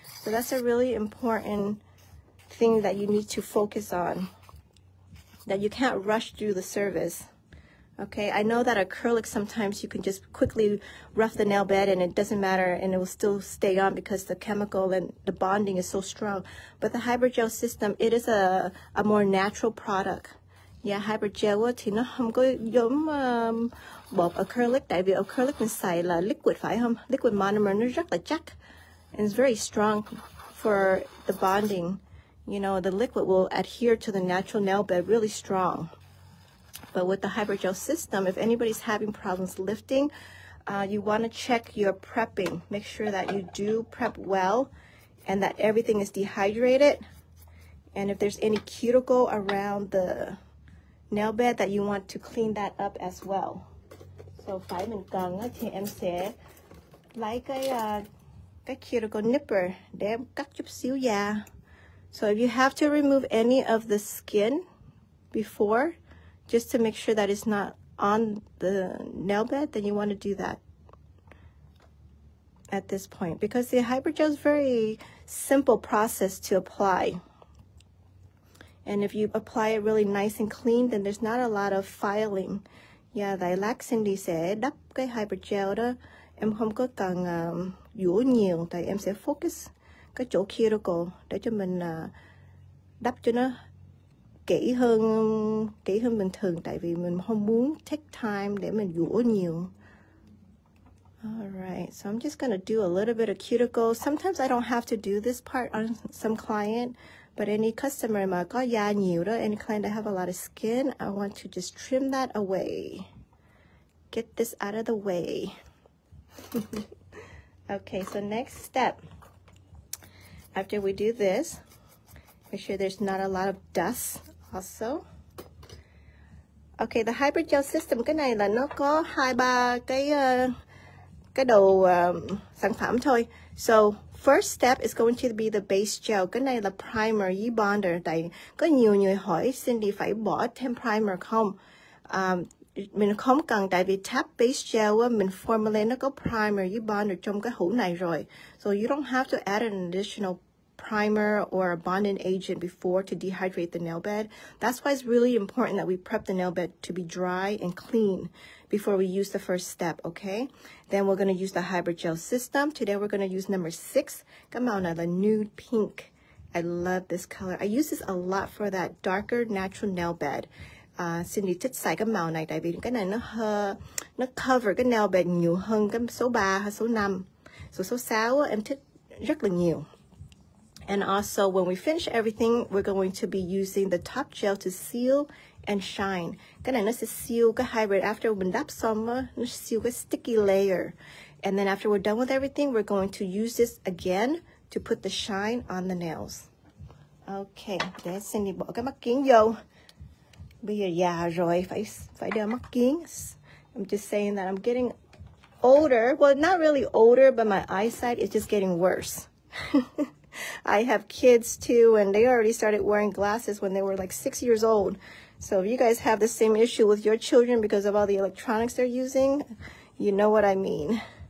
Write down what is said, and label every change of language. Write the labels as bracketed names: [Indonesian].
[English] So that's a really important thing that you need to focus on, that you can't rush through the service. Okay, I know that acrylic sometimes you can just quickly rough the nail bed and it doesn't matter and it will still stay on because the chemical and the bonding is so strong. But the hydrogel system, it is a more natural product. [Vietnamese] Yeah, hydrogel thì nó không có giống bột acrylic, tại vì acrylic mình xài là liquid phải không? Liquid monomer nó rất là chắc and it's very strong for the bonding. [English] You know, the liquid will adhere to the natural nail bed really strong. But with the hydrogel system, if anybody's having problems lifting, you want to check your prepping. Make sure that you do prep well and that everything is dehydrated. And if there's any cuticle around the nail bed, that you want to clean that up as well. [Vietnamese] So phải mình cần thì em sẽ lấy cái cuticle nipper để em cắt chút xíu da. [English] So if you have to remove any of the skin before, just to make sure that it's not on the nail bed, then you want to do that at this point, because the hydrogel is very simple process to apply. And if you apply it really nice and clean, then there's not a lot of filing. [Vietnamese] Yeah, tại lát Cindy sẽ đắp cái hydrogel đó, em không có cần dũa nhiều, tại em sẽ focus cái chỗ cuticle để cho mình đắp cho nó kỹ hơn bình thường, tại vì mình không muốn take time để mình dũa nhiều. [English] Alright, so I'm just gonna do a little bit of cuticle. Sometimes I don't have to do this part on some client, but any customer [Vietnamese] mà có da nhiều đó, [English] any client that have a lot of skin, I want to just trim that away. Get this out of the way. Okay, so next step. After we do this, make sure there's not a lot of dust also. [Vietnamese] Okay, the hydrogel system, cái này là nó có hai ba cái đầu sản phẩm thôi. [English] So first step is going to be the base gel. [Vietnamese] Cái này là primer, y bonder. Tại có nhiều người hỏi Cindy phải bỏ thêm primer không? Mình không cần, tại vì tap base gel mình formulate nó có primer, y bonder trong cái hũ này rồi. [English] So you don't have to add an additional primer or a bonding agent before to dehydrate the nail bed. That's why it's really important that we prep the nail bed to be dry and clean before we use the first step, okay? Then we're going to use the hybrid gel system. Today we're going to use number 6, Gamona, the nude pink. I love this color. I use this a lot for that darker natural nail bed. [Vietnamese] Cindy thích xài cái màu này, tại vì cái này nó cover cái nail bed nhiều hơn cái số 3 hay số 5. So số 6 em thích rất là nhiều. [English] And also, when we finish everything, we're going to be using the top gel to seal and shine. [Vietnamese] Cái này nó sẽ seal cái hybrid. After mình đắp xong, nó seal cái sticky layer. [English] And then after we're done with everything, we're going to use this again to put the shine on the nails. [Vietnamese] Okay, để Cindy bỏ cái mắt kính vô. Bây giờ già rồi, phải đeo mắt kính. [English] I'm just saying that I'm getting older. Well, not really older, but my eyesight is just getting worse. I have kids too, and they already started wearing glasses when they were like 6 years old. So if you guys have the same issue with your children because of all the electronics they're using, you know what I mean.